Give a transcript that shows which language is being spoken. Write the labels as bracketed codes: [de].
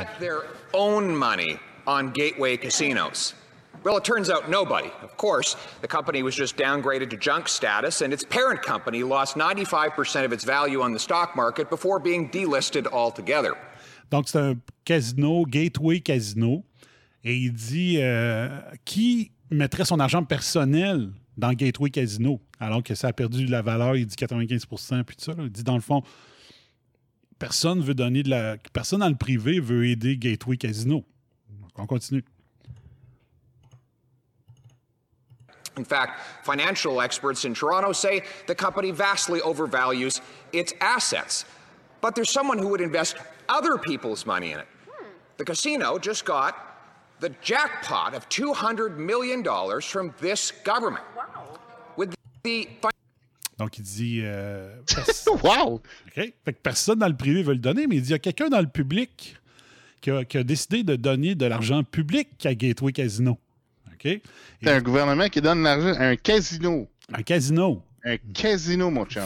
[en] Who would bet their own money on gateway casinos? Well, it turns out nobody. Of course, the company was just downgraded to junk status, and its parent company lost 95% of its value on the stock market before being delisted altogether. [fr] Donc, c'est un casino, Gateway Casino. Et il dit, qui mettrait son argent personnel dans Gateway Casino, alors que ça a perdu de la valeur, il dit 95%, puis tout ça. Là. Il dit, dans le fond, personne veut donner de la... Personne dans le privé veut aider Gateway Casino. Donc, on continue. [en] In fact, financial experts in Toronto say the company vastly overvalues its assets. But there's someone who would invest other people's money in it. The casino just got the jackpot of $200 million from this government. Wow. With the... [fr] Donc, il dit... [en] wow! OK. [fr] Fait que personne dans le privé veut le donner, mais il dit qu'il y a quelqu'un dans le public qui a décidé de donner de l'argent public à Gateway Casino. OK? Et c'est un gouvernement qui donne l'argent à un casino. Un casino. Un casino, mon chum.